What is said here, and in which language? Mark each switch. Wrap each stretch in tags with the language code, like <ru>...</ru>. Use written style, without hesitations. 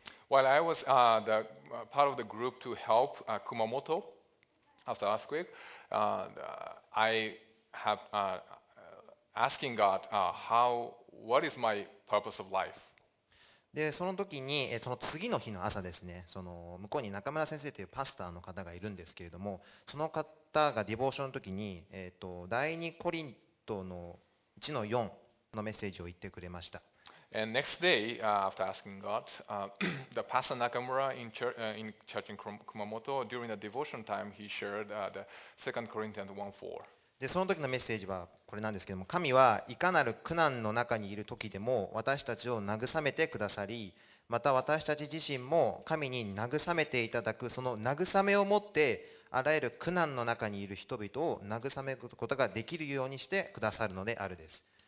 <en>While I was the part of the group to help Kumamoto after earthquake, I have asking God howWhat is my purpose of life?</en> <ja>でその時にその次の日の朝ですね、その向こうに中村先生というパスターの方がいるんですけれども、その方がディボーションの時に、第2コリントの1の4のメッセージを言ってくれました。</ja> <en>And next day, after asking God, the pastor Nakamura in church in Kumamoto during the devotion time, he shared the 2 Corinthians 1:4.</en> <ja>でその時のメッセージはこれなんですけども、神はいかなる苦難の中にいる時でも私たちを慰めてくださり、また私たち自身も神に慰めていただくその慰めをもってあらゆる苦難の中にいる人々を慰めることができるようにしてくださるのであるです。</ja>